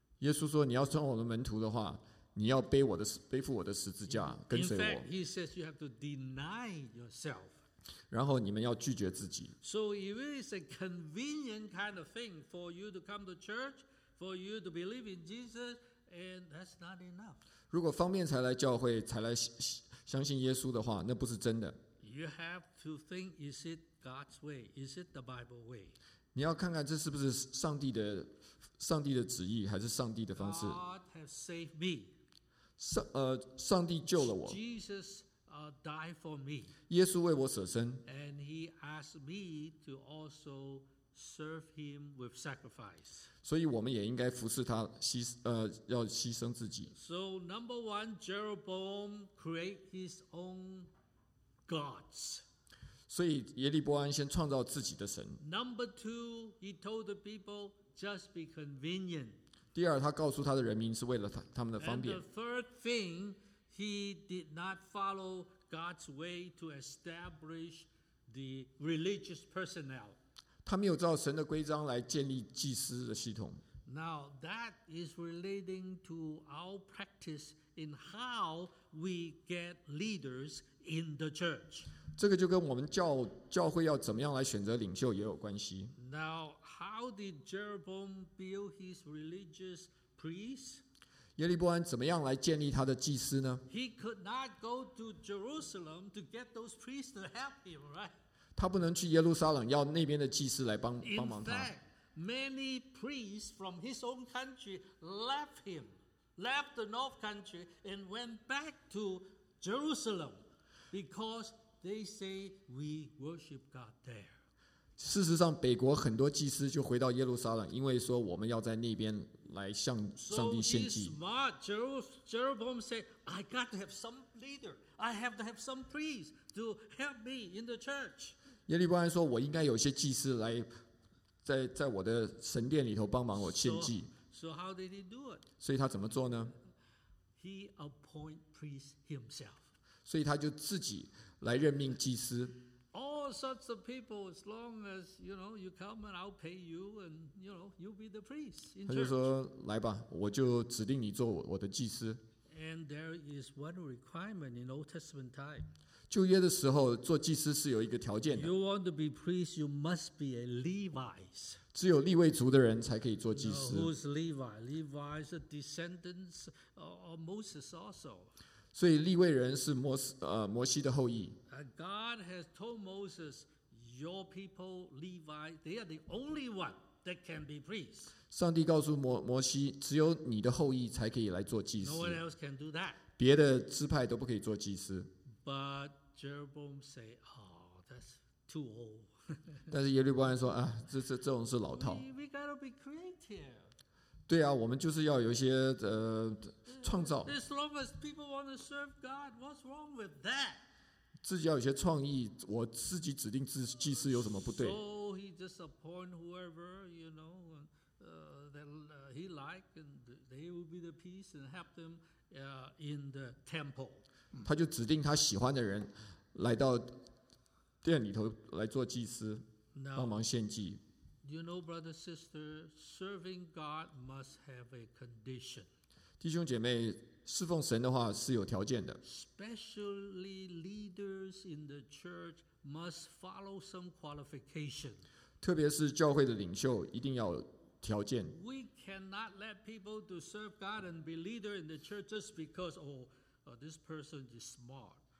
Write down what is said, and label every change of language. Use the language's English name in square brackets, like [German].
[Chinese] 耶稣说，你要成我的门徒的话。你要背我的背负我的十字架跟随我。 [English] In fact, he says you have to deny yourself. [Chinese] 然后你们要拒绝自己。 [English] So if it is a convenient kind of thing for you to come to church, for you to believe in Jesus, and that's not enough. [Chinese] 如果方便才来教会才来相信耶稣的话，那不是真的。 [English] You have to think, is it God's way? Is it the Bible way? [Chinese] 你要看看这是不是上帝的旨意，还是上帝的方式。 [English] God has saved me. [Chinese] 上帝救了我。 [English] Jesus died for me. [Chinese] 耶稣为我舍身。 [English] And he asked me to also serve him with sacrifice. [Chinese] 所以我们也应该服侍他，要牺牲自己。 [English] So number one, Jeroboam create his own gods. [Chinese] 所以耶利波安先创造自己的神。 [English] Number two, he told the people. Just be convenient. [Chinese] 第二，他告诉他的人民是为了他们的方便。 [English] And the third thing, he did not follow God's way to establish the religious personnel. [Chinese] 他没有照神的规章来建立祭司的系统。 [English] Now that is relating to our practice in how we get leaders in the church. [Chinese] 这个就跟我们教会要怎么样来选择领袖也有关系。 [English] Now, how did Jeroboam build his religious priests? [Chinese] 耶利波安怎么样来建立他的祭司呢？ [English] He could not go to Jerusalem to get those priests to help him, right? [Chinese] 他不能去耶路撒冷要那边的祭司来帮忙他。 [English] In fact, many priests from his own country left him, left the north country and went back to Jerusalem because they say we worship God there. [Chinese] 事实上，北国很多祭司就回到耶路撒冷，因为说我们要在那边来向上帝献祭。 [English] So he's smart. Jeroboam said, "I got to have some leader. I have to have some priest to help me in the church." [Chinese] 耶利波安说，我应该有些祭司来在我的神殿里头帮忙我献祭。 [English] So how did he do it? [Chinese] 所以他怎么做呢 [English] ？He appoint priests himself. [Chinese] 所以他就自己来任命祭司。 [English] All sorts of people, as long as you know, you come and I'll pay you, and you know, you'll be the priest. [Chinese] 他就说来吧，我就指定你做我的祭司。 [English] And there is one requirement in Old Testament time. [Chinese] 旧约的时候做祭司是有一个条件的。 [English] You want to be priest, you must be a Levite. [Chinese] 只有利未族的人才可以做祭司。 [English] Who's Levi? Levi is a descendant of Moses also. [Chinese] 所以利未人是摩西的后裔。 [English] God has told Moses, your people, Levi, they are the only one that can be priests. [Chinese] 上帝告诉摩西，只有你的后裔才可以来做祭司。 [English] No one else can do that. [Chinese] 别的支派都不可以做祭司。 [English] But Jeroboam said, oh, that's too old. [Chinese] 但是耶利波安说，啊，这种是老套。 [English] We gotta be creative. [Chinese] 对啊，我们就是要有一些创造。 [English] As long as people want to serve God, what's wrong with that? [Chinese] 自己要有些创意，我自己指定祭司有什么不对 [English] ？So he just appoint whoever you know that he like, and they will be the priests and help them in the temple. [Chinese] 他就指定他喜欢的人来到殿里头来做祭司，帮忙献祭。 [English] You know, brother, sister, serving God must have a condition. [Chinese] 弟兄姐妹，侍奉神的话是有条件的。 [English] Especially leaders in the church must follow some qualification. [Chinese] 特别是教会的领袖一定要有条件。 [English] We cannot let people to serve God and be leader in the church just because, this person is smart.